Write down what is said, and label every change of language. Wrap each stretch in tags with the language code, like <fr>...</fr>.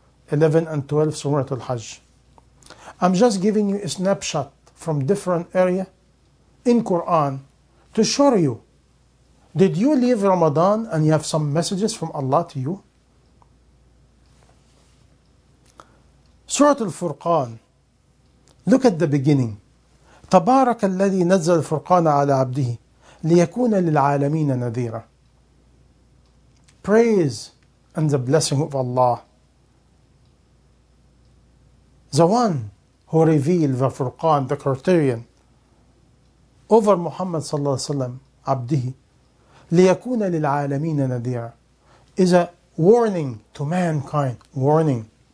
<en>11 and 12, Surah Al-Hajj. I'm just giving you a snapshot from different area in Quran to show you. Did you leave Ramadan and you have some messages from Allah to you? Surah Al-Furqan. Look at the beginning.</en> <ar>تبارك الذي نزل الفرقان على عبده ليكون للعالمين نذيرا.</ar> <en>Praise and the blessing of Allah, the one who revealed the Furqan, the criterion, over Muhammad</en> <ar>صلى الله عليه وسلم عبده ليكون للعالمين نذيرا,</ar> <en>is a warning to mankind. Warning.</en>